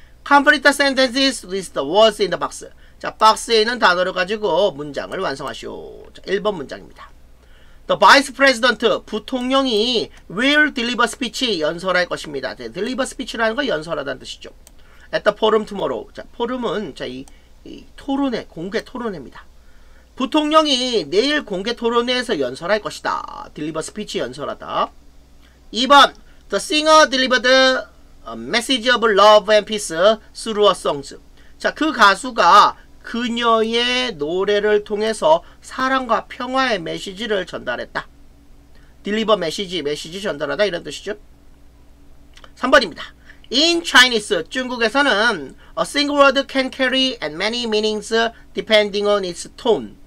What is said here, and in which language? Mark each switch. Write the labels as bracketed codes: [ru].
[en] Complete the sentences with the words in the box. [ko] 자, 박스에 있는 단어를 가지고 문장을 완성하시오. 자, 1번 문장입니다. [en] The Vice President, [ko] 부통령이 [en] will deliver speech, [ko] 연설할 것입니다. 자, deliver speech라는 건 연설하다는 뜻이죠. [en] At the forum tomorrow. [ko] 자, forum은 자, 이 토론회, 공개 토론회입니다. 부통령이 내일 공개 토론회에서 연설할 것이다. deliver speech, 연설하다. [en] 2번, The singer delivered a message of love and peace through her songs. [ko] 자, 그 가수가 그녀의 노래를 통해서 사랑과 평화의 메시지를 전달했다. deliver message, 메시지 전달하다 이런 뜻이죠. 3번입니다. [en] In Chinese, [ko] 중국에서는 [en] a single word can carry and many meanings depending on its tone.